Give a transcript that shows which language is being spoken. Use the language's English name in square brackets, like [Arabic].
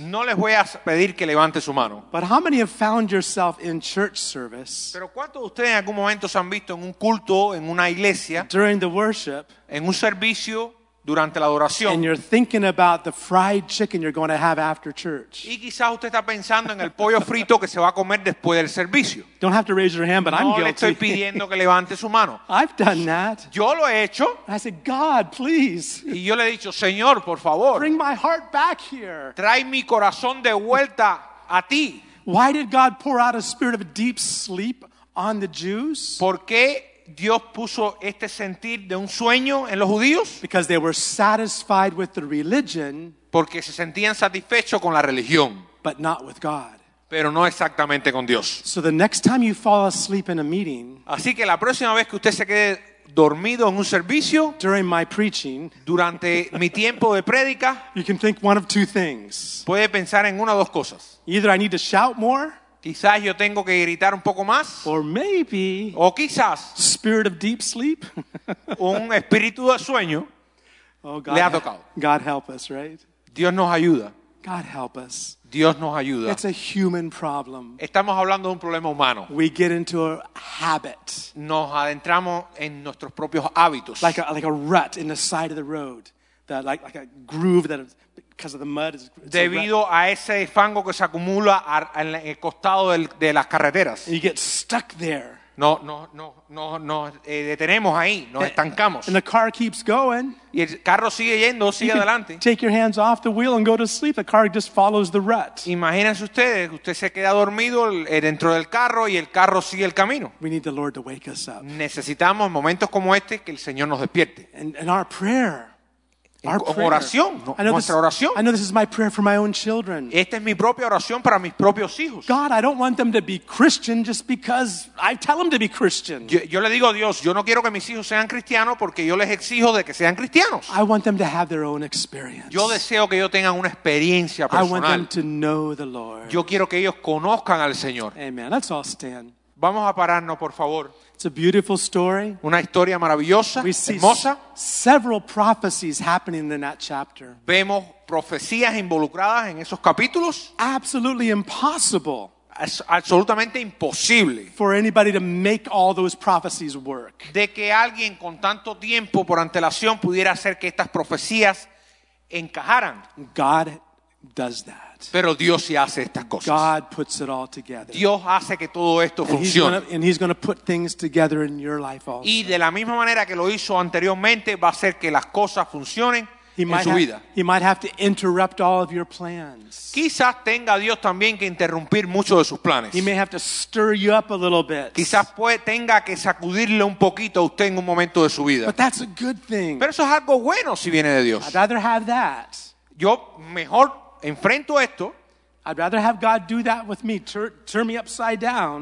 [Spanish] No les voy a pedir que levante su mano. [English] But how many have found yourself in church service? [Spanish] Pero ¿cuántos de ustedes en algún momento se han visto en un culto, en una iglesia? [English] During the worship. [Spanish] En un servicio. Durante la adoración. [English] And you're thinking about the fried chicken you're going to have after church. [Spanish] Y quizás usted está pensando en el pollo frito que se va a comer después del servicio. [English] Don't have to raise your hand, but no, I'm guilty. [Spanish] Le estoy pidiendo que levante su mano. [English] I've done that. [Spanish] Yo lo he hecho. [English] And I said, God, please. [Spanish] Y yo le he dicho, Señor, por favor. [English] Bring my heart back here. [Spanish] Trae mi corazón de vuelta a ti. [English] Why did God pour out a spirit of deep sleep on the Jews? [Spanish] ¿Por qué Dios puso este sentir de un sueño en los judíos? [English] Because they were satisfied with the religion, [Spanish] porque se sentían satisfechos con la religión, [English] but not with God. [Spanish] Pero no exactamente con Dios. [English] So the next time you fall asleep in a meeting, [Spanish] así que la próxima vez que usted se quede dormido en un servicio, [English] during my preaching, [Spanish] durante mi tiempo de prédica, [English] you can think one of two things. [Spanish] Puede pensar en una o dos cosas. [English] Either I need to shout more. [Spanish] Quizás yo tengo que gritar un poco más. [English] Or maybe, [Spanish] o quizás [English] spirit of deep sleep. [Spanish] Un espíritu de sueño. [English] Oh, God, [Spanish] le ha tocado. [English] God help us, right? [Spanish] Dios nos ayuda. [English] God help us. [Spanish] Dios nos ayuda. [English] It's a human problem. [Spanish] Estamos hablando de un problema humano. [English] We get into a habit. [Spanish] Nos adentramos en nuestros propios hábitos. [English] Like a rut in the side of the road. That like a groove that because of the mud is [Spanish] debido a ese fango que se acumula en el costado de las carreteras. [English] You get stuck there. [Spanish] No, detenemos ahí, nos estancamos. [English] And the car keeps going. [Spanish] Y el carro sigue yendo, sigue adelante. [English] Take your hands off the wheel and go to sleep. The car just follows the rut. [Spanish] Imagínense ustedes, usted se queda dormido dentro del carro y el carro sigue el camino. [English] We need the Lord to wake us up. [Spanish] Necesitamos momentos como este que el Señor nos despierte. [English] And our prayer. Our [Spanish] oración, nuestra oración. [English] I know this is my prayer for my own children. [Spanish] Esta es mi propia oración para mis propios hijos. [English] God, I don't want them to be Christian just because I tell them to be Christian. [Spanish] Yo le digo a Dios, yo no quiero que mis hijos sean cristianos porque yo les exijo de que sean cristianos. [English] I want them to have their own experience. [Spanish] Yo deseo que ellos tengan una experiencia personal. [English] I want them to know the Lord. [Spanish] Yo quiero que ellos conozcan al Señor. [English] Amen. Let's all stand. [Spanish] Vamos a pararnos, por favor. [English] It's a beautiful story. [Spanish] Una historia maravillosa, [English] we see [Spanish] hermosa. [English] Several prophecies happening in that chapter. [Spanish] Vemos profecías involucradas en esos capítulos. [English] Absolutely impossible. [Spanish] Absolutamente imposible. [English] For anybody to make all those prophecies work. [Spanish] De que alguien con tanto tiempo por antelación pudiera hacer que estas profecías encajaran. [English] God does that. [Spanish] Pero Dios sí hace estas cosas. [English] God puts it all together. [Spanish] Dios hace que todo esto funcione. [English] And he's going to put things together in your life also. [Spanish] Y de la misma manera que lo hizo anteriormente, va a hacer que las cosas funcionen en su vida. [English] He might have to interrupt all of your plans. [Spanish] Quizás tenga Dios también que interrumpir muchos de sus planes. [English] He may have to stir you up a little bit. [Spanish] Quizás tenga que sacudirle un poquito a usted en un momento de su vida. [English] But that's a good thing. [Spanish] Pero eso es algo bueno si viene de Dios. [English] I'd rather have that. [Spanish] Yo mejor enfrento esto. [English] I'd rather have God do that with me, turn me upside down.